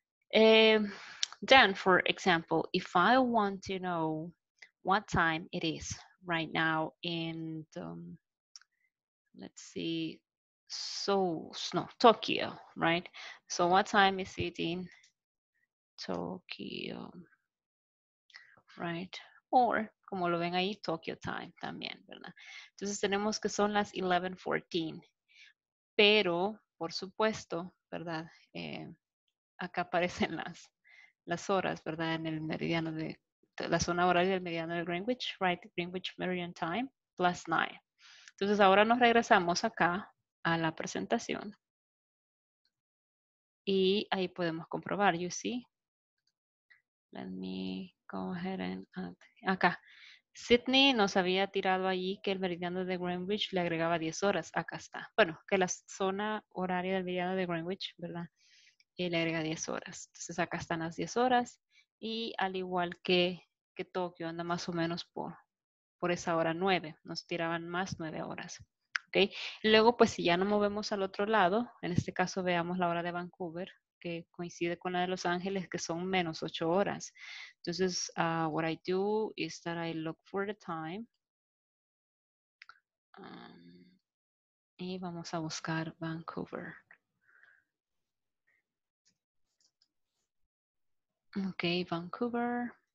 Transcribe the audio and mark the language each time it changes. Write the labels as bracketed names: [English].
[English] Then, for example, if I want to know what time it is right now in, let's see, Tokyo, right? So what time is it in Tokyo, right? Or, [Spanish] como lo ven ahí, Tokyo time también, ¿verdad? Entonces tenemos que son las 11:14, pero por supuesto, ¿verdad? Acá aparecen las horas, ¿verdad? En el meridiano de la zona horaria del meridiano de Greenwich, [English] right? Greenwich Meridian Time plus 9. [Spanish] Entonces ahora nos regresamos acá a la presentación. Y ahí podemos comprobar, [English] you see. Let me go ahead and add. [Spanish] Acá. Sydney nos había tirado allí que el meridiano de Greenwich le agregaba 10 horas. Acá está. Bueno, que la zona horaria del meridiano de Greenwich, ¿verdad? Y le agrega 10 horas. Entonces acá están las 10 horas. Y al igual que Tokio, anda más o menos por esa hora 9. Nos tiraban más 9 horas. Okay. Luego, pues si ya nos movemos al otro lado, en este caso veamos la hora de Vancouver, que coincide con la de Los Ángeles, que son menos 8 horas. Entonces, [English] what I do is that I look for the time. [Spanish] Y vamos a buscar Vancouver. Ok, Vancouver.